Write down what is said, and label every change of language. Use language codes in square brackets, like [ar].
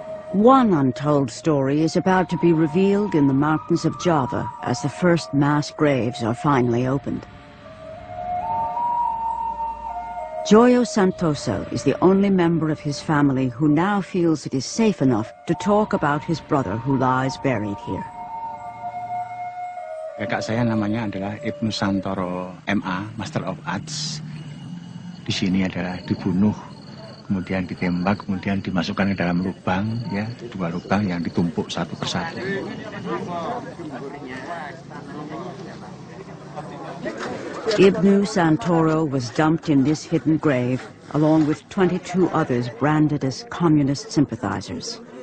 [en] One untold story is about to be revealed in the mountains of Java as the first mass graves are finally opened. Joyo Santoso is the only member of his family who now feels it is safe enough to talk about his brother who lies buried here. [id] Kakak saya namanya adalah Ibnu Santoro MA, Master of Arts. Di sini adalah dibunuh, kemudian ditembak, kemudian dimasukkan ke dalam lubang, ya, dua lubang yang ditumpuk satu persatu. [en] Ibnu Santoro was dumped in this hidden grave, along with 22 others branded as communist sympathizers.